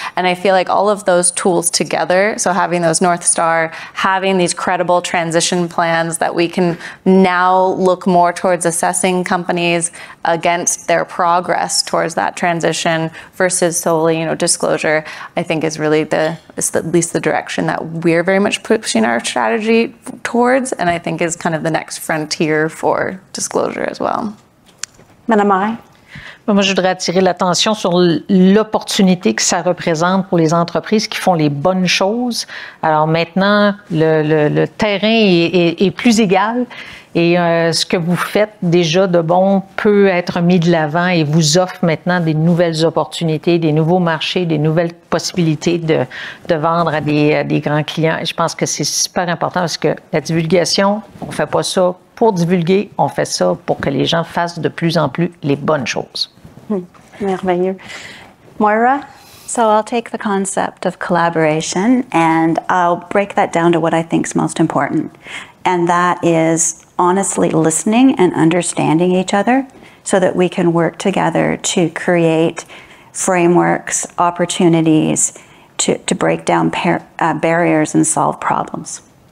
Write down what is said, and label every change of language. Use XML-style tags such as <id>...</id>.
<en>And I feel like all of those tools together, so having those North Star, having these credible transition plans that we can now look more towards assessing companies against their progress towards that transition versus solely, you know, disclosure, I think is really at least the direction that we're very much pushing our strategy towards, and I think is kind of the next frontier for disclosure as well.</en> <fr>Madame I. Moi, je voudrais attirer l'attention sur l'opportunité que ça représente pour les entreprises qui font les bonnes choses. Alors maintenant, le terrain est plus égal et ce que vous faites déjà de bon peut être mis de l'avant et vous offre maintenant des nouvelles opportunités, des nouveaux marchés, des nouvelles possibilités de vendre à des grands clients. Et je pense que c'est super important parce que la divulgation, on ne fait pas ça. Pour divulguer, on fait ça pour que les gens fassent de plus en plus les bonnes choses. Merveilleux. Moira?</fr> <en>So I'll take the concept of collaboration and I'll break that down to what I think is most important. And that is honestly listening and understanding each other so that we can work together to create frameworks, opportunities to break down barriers and solve problems.</en>